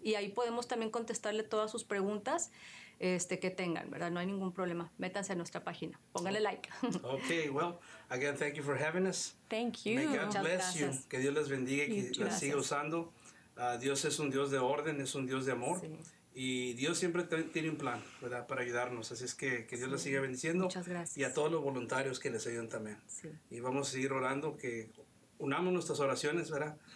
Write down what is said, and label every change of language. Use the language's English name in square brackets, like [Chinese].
[Spanish] Y ahí podemos también contestarle todas sus preguntas que tengan, ¿verdad? No hay ningún problema. Métanse a nuestra página. Pónganle like. [English] Okay, well, again, thank you for having us. Thank you. May God bless you. [Spanish] Que Dios les bendiga y que las siga usando. Dios es un Dios de orden, es un Dios de amor. Sí. Y Dios siempre tiene un plan, ¿verdad? Para ayudarnos. Así es que Dios les siga bendiciendo. Muchas gracias. Y a todos los voluntarios que les ayudan también. Sí. Y vamos a seguir orando, que unamos nuestras oraciones, ¿verdad?